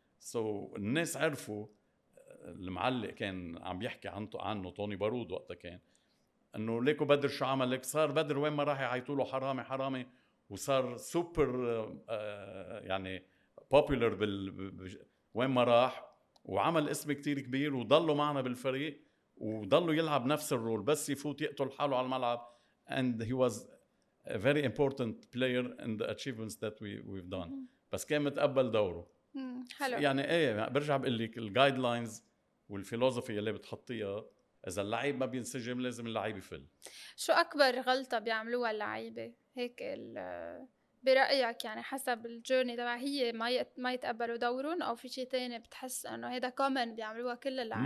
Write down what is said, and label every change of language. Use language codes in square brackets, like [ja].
[ar] So الناس عرفوا، المعلق كان عم يحكي عنه طوني بارود وقتها، كان أنه ليكو بدر شو عمل، ليك صار بدر وين ما راح يعيطوله حرامي حرامي، وصار سوبر يعني popular وين ما راح، وعمل اسم كتير كبير وضلوا معنا بالفريق وضلوا يلعب نفس الرول، بس يفوت يقتل حاله على الملعب. [en] And he was a very important player in the achievements that we've done. [ar] بس كان متقبل دوره. حلو. يعني ايه، برجع بقلك الguidelines والفيلوزوفي اللي بتحطيها، اذا اللعيب ما بينسجم لازم اللعيب يفل. شو اكبر غلطة بيعملوها اللعيبة هيك برأيك، يعني حسب الجورني تبع، هي ما يتقبلوا دورهم او في شيء تاني بتحس انه هذا كومن بيعملوها كل اللعيبه؟